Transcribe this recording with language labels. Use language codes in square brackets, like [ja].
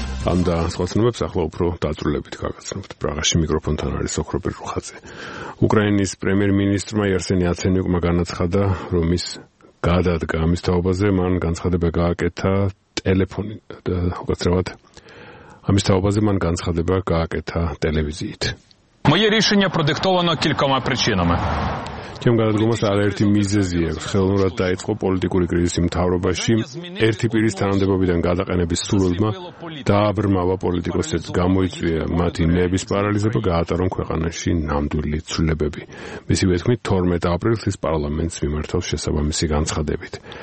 [ka] ამ და სხვა ცნობებს ახლა უფრო დაწვრილებით გაგაცნობთ. პრაღაში მიკროფონთან არის ოქროპი რუხაძე. უკრაინის პრემიერ-მინისტრმა იარსენი აცენიუკმა განაცხადა, რომ ის გადადგა. ამის თაობაზე მან განცხადება გააკეთა ტელეფონით, უკაცრავად. ამის თაობაზე მან განცხადება გააკეთა ტელევიზიით. [ru] Моё решение продиктовано несколькими причинами. [ka] ჩემ გადადგომას არაერთი მიზეზი აქვს. ხელმურად დაიწყო პოლიტიკური კრიზისი მთავრობაში. ერთი პირის თანამდებობიდან გადაყენების სურვილმა დააბრმავა პოლიტიკოსებს, გამოიწვია მათი ნების პარალიზება, გაატარონ ქვეყანაში ნამდვილი ცვლილებები. მისივე თქმით, 12 აპრილს ის პარლამენტს მიმართავს შესაბამისი განცხადებით.